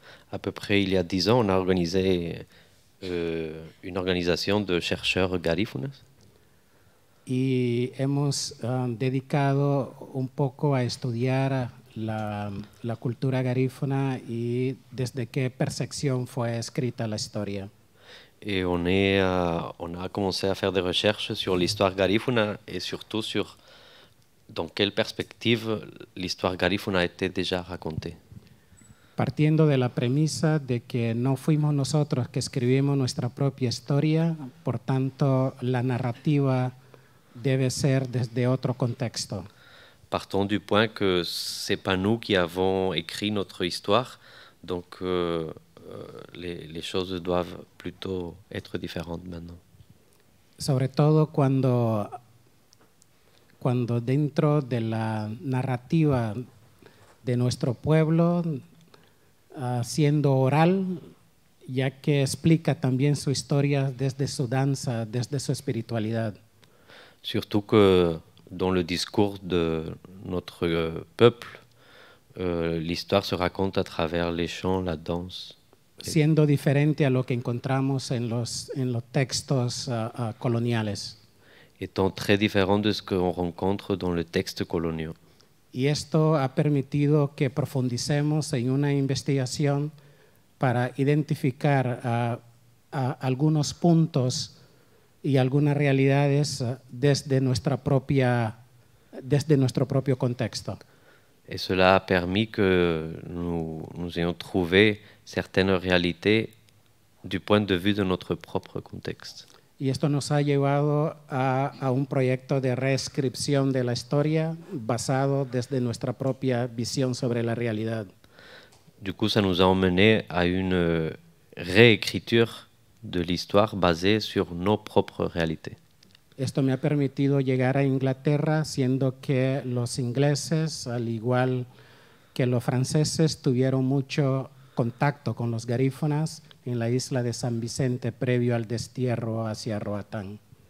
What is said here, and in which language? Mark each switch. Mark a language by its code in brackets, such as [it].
[fr] À peu près il y a 10 ans, on a organisé une organisation de chercheurs garífunas. [es] y hemos dedicado un poco a estudiar la cultura garífuna y desde qué percepción fue escrita la historia. [fr] Et on a commencé à faire des recherches sur l'histoire garífuna et surtout sur dans quelle perspective l'histoire garífuna a été déjà racontée. [es] Partiendo de la premisa de que no fuimos nosotros que escribimos nuestra propia historia, por tanto la narrativa debe ser desde otro contexto. [fr] Partons du point que c'est pas nous qui avons écrit notre histoire, donc les choses doivent plutôt être différentes maintenant. [es] Sobre todo cuando dentro de la narrativa de nuestro pueblo siendo oral, ya que explica también su historia desde su danza, desde su espiritualidad. [fr] Surtout que dans le discours de notre peuple, l'histoire se raconte à travers les chants, la danse. [es] Siendo diferente a lo que encontramos en los textos coloniales. [fr] Étant très différent de ce qu'on rencontre dans le texte colonial. [es] Y esto ha permitido que profundicemos en una investigación para identificar algunos puntos y algunas realidades desde nuestro propio contexto. [fr] Et cela a permis que nous ayons trouvé certaines réalités du point de vue de notre propre contexte. [es] Y esto nos ha llevado a un proyecto de reescripción de la historia basado desde nuestra propia visión sobre la realidad. [fr] Du coup, ça nous a emmené à une réécriture de l'histoire basée sur nos propres réalités. [es] Esto me ha permitido llegar a Inglaterra, siendo que los ingleses, al igual que los franceses, tuvieron mucho contacto con los garífunas en la isla de San Vicente previo al destierro hacia Roatán.